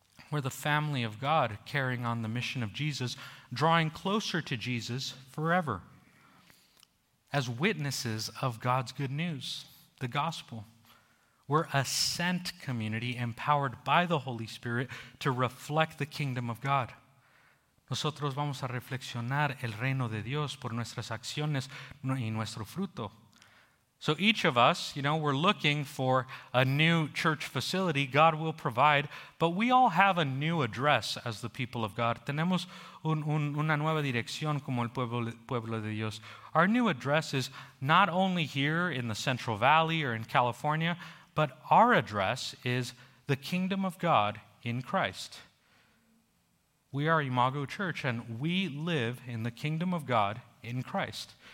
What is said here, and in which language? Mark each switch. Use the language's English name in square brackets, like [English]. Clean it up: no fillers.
[English] We're the family of God carrying on the mission of Jesus, drawing closer to Jesus forever as witnesses of God's good news, the gospel. We're a sent community empowered by the Holy Spirit to reflect the kingdom of God. [Spanish] Nosotros vamos a reflexionar el reino de Dios por nuestras acciones y nuestro fruto. [English] So each of us, you know, we're looking for a new church facility. God will provide, but we all have a new address as the people of God. [Spanish] Tenemos una nueva dirección como el pueblo de Dios. [English] Our new address is not only here in the Central Valley or in California, but our address is the kingdom of God in Christ. We are Imago Church, and we live in the kingdom of God in Christ.